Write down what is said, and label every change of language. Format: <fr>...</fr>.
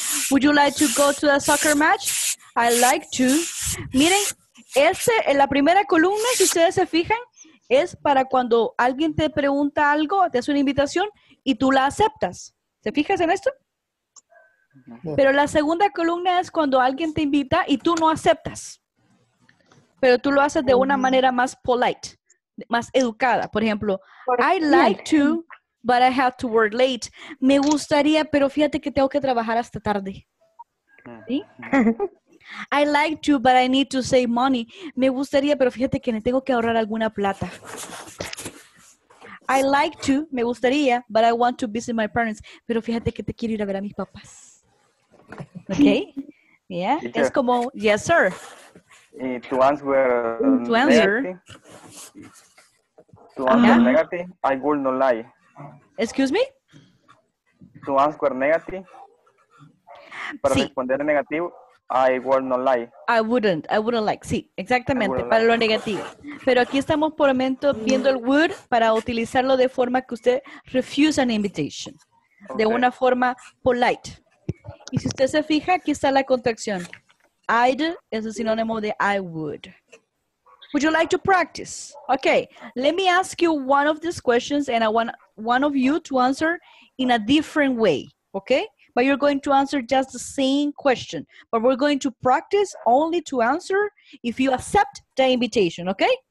<en>Would you like to go to a soccer match? I like to.</en> <es>Miren, este, en la primera columna, si ustedes se fijan, es para cuando alguien te pregunta algo, te hace una invitación y tú la aceptas. ¿Se fijas en esto? Pero la segunda columna es cuando alguien te invita y tú no aceptas. Pero tú lo haces de una manera más polite, más educada. Por ejemplo,</es> <en>I like to, but I have to work late.</en> <es>Me gustaría, pero fíjate que tengo que trabajar hasta tarde. ¿Sí?</es> <en>I like to, but I need to save money.</en> <es>Me gustaría, pero fíjate que tengo que ahorrar alguna plata.</es> <en>I like to,</en> <es>me gustaría,</es> <en>but I want to visit my parents.</en> <es>Pero fíjate que te quiero ir a ver a mis papás.</es> <en>¿Ok? Yeah, yeah.</en> <es>Es como,</es> <en>yes, sir. To answer, negative, I would not lie. Excuse me? To answer negative,</en> <es>para responder negativo,</es> <en>I would not lie. I wouldn't like.</en> <es>Sí, exactamente, para lo negativo. Pero aquí estamos por el momento viendo el would para utilizarlo de forma que usted</es> <en>refuse an invitation.</en> <es>Okay. De una forma polite. Y si usted se fija, aquí está la contracción.</es> <en>I'd</en> <es>es el sinónimo de</es> <en>I would. Would you like to practice? Okay, let me ask you one of these questions and I want one of you to answer in a different way, okay? But you're going to answer just the same question. But we're going to practice only to answer if you accept the invitation, okay?</en>